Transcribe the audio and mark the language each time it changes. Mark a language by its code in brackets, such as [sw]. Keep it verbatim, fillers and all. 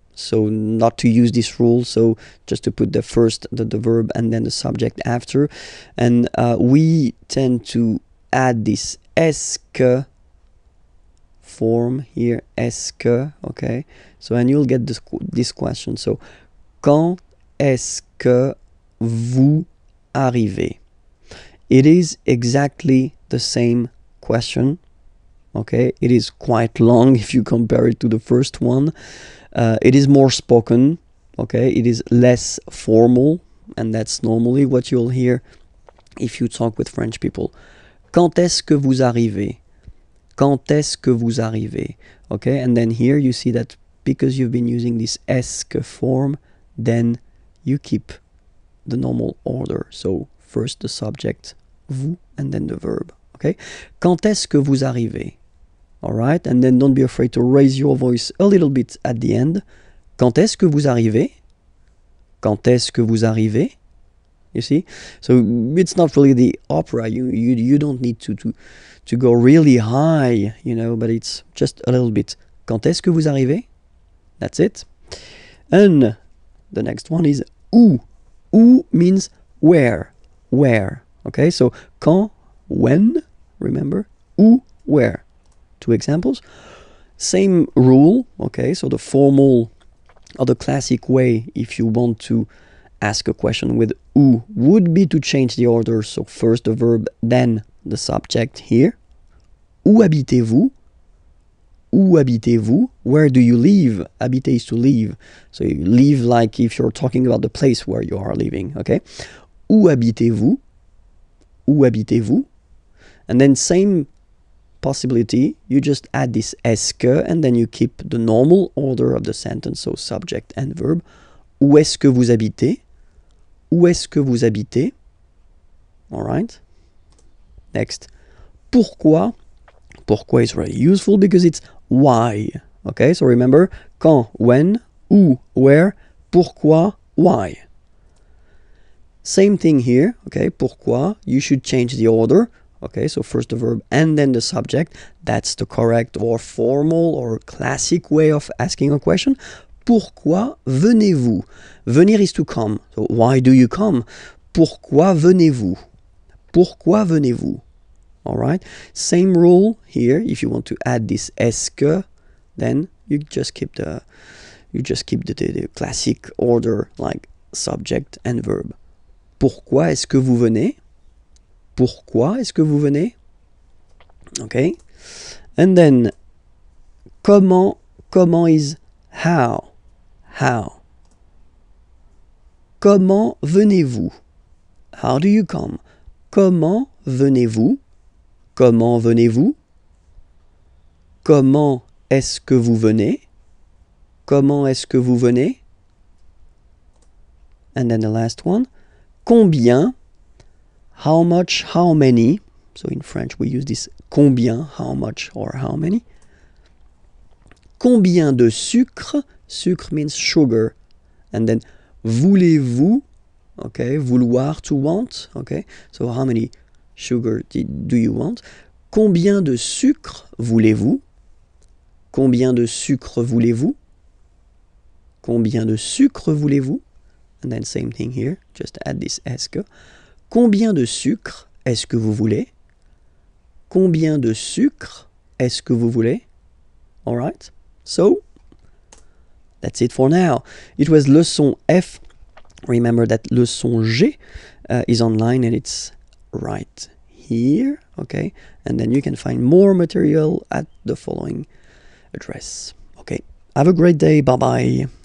[en] So not to use this rule. So just to put the first the, the verb and then the subject after, and uh, we tend to add this est-ce que form here, est-ce que, okay? So, and you'll get this, this question. [fr] So, quand est-ce que vous arrivez? [en] It is exactly the same question, okay? It is quite long if you compare it to the first one. Uh, it is more spoken, okay? It is less formal, and that's normally what you'll hear if you talk with French people. [fr] Quand est-ce que vous arrivez? Quand est-ce que vous arrivez? [en] Okay, and then here you see that because you've been using this est-ce que form, then you keep the normal order. So first the subject, vous, and then the verb. [fr] Okay, quand est-ce que vous arrivez? [en] All right, and then don't be afraid to raise your voice a little bit at the end. [fr] Quand est-ce que vous arrivez? Quand est-ce que vous arrivez? [en] You see, so it's not really the opera. You you you don't need to to to go really high, you know. But it's just a little bit. [fr] Quand est-ce que vous arrivez? [en] That's it. And the next one is où. Où means where, where. Okay, so quand, when. Remember, où, where. Two examples. Same rule. Okay, so the formal or the classic way, if you want to ask a question with où, would be to change the order, so first the verb, then the subject here. [fr] Où habitez-vous? Où habitez-vous? [en] Where do you live? Habiter is to live. So you live like if you're talking about the place where you are living, okay? [fr] Où habitez-vous? Où habitez-vous? [en] And then same possibility, you just add this est-ce que, and then you keep the normal order of the sentence, so subject and verb. [fr] Où est-ce que vous habitez? Où est-ce que vous habitez? [en] All right. Next. Pourquoi? Pourquoi is really useful because it's why. Okay, so remember, quand, when, où, where, pourquoi, why. Same thing here, okay, pourquoi, you should change the order. Okay, so first the verb and then the subject. That's the correct or formal or classic way of asking a question. [fr] Pourquoi venez-vous? [en] Venir is to come. So why do you come? [fr] Pourquoi venez-vous? Pourquoi venez-vous? All right. [en] Same rule here. If you want to add this est-ce que, then you just keep the you just keep the, the, the classic order like subject and verb. [fr] Pourquoi est-ce que vous venez? Pourquoi est-ce que vous venez? [en] Okay. And then comment comment is how. How? [fr] Comment venez-vous? [en] How do you come? [fr] Comment venez-vous? Comment venez-vous? Comment est-ce que vous venez? Comment est-ce que vous venez? [en] And then the last one. Combien? How much? How many? So in French we use this combien, how much or how many. [fr] Combien de sucre? [en] Sucre means sugar. And then [fr] voulez-vous? [en] Okay, vouloir, to want. Okay, so how many sugar do you want? [fr] Combien de sucre voulez-vous? Combien de sucre voulez-vous? Combien de sucre voulez-vous? [en] And then same thing here, just add this est-ce que. [fr] Combien de sucre est-ce que vous voulez? Combien de sucre est-ce que vous voulez? [en] All right, so that's it for now. It was leçon F. Remember that leçon G uh, is online and it's right here, okay? And then you can find more material at the following address. Okay, have a great day. Bye-bye.